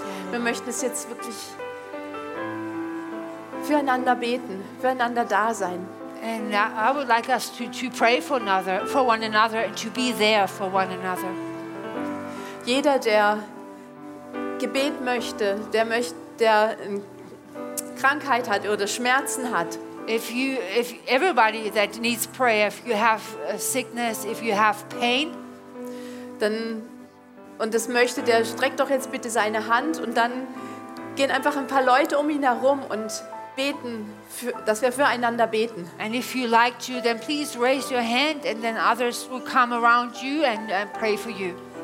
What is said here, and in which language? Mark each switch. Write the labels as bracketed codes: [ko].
[de] Wir möchten es jetzt wirklich füreinander beten, füreinander da sein. [en] And I would like us to pray for one another and to be there for one another. [de] Jeder, der Gebet möchte, der Krankheit hat oder Schmerzen hat. [en] If everybody that needs prayer, if you have a sickness, if you have pain, [de] dann und das möchte, der streckt doch jetzt bitte seine Hand und dann gehen einfach ein paar Leute um ihn herum und beten, dass wir füreinander beten. [en] And if you like to, then please raise your hand and then others will come around you and pray for you.